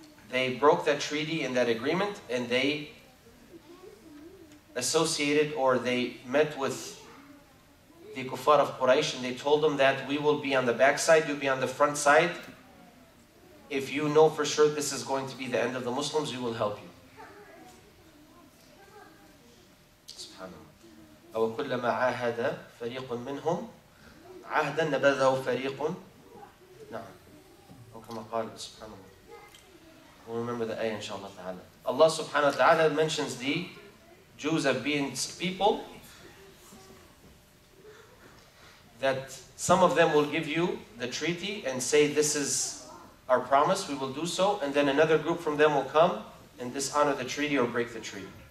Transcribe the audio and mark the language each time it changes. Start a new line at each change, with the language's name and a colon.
English: They broke that treaty and that agreement, and they associated or they met with the Kuffar of Quraysh, and they told them that we will be on the backside, you'll be on the front side. If you know for sure this is going to be the end of the Muslims, we will help you. SubhanAllah.
Arabic: أَوَكُلَّمَا عَاهَدَ فَرِيقٌ مِّنْهُمْ عَهْدًا نَبَذَهُ فَرِيقٌ نَعَمْ وَكَمَا قَالَ SubhanAllah.
English: We'll remember the ayah inshaAllah ta'ala. Allah subhanahu wa ta'ala mentions the Jews have been people that some of them will give you the treaty and say this is our promise, we will do so, and then another group from them will come and dishonor the treaty or break the treaty.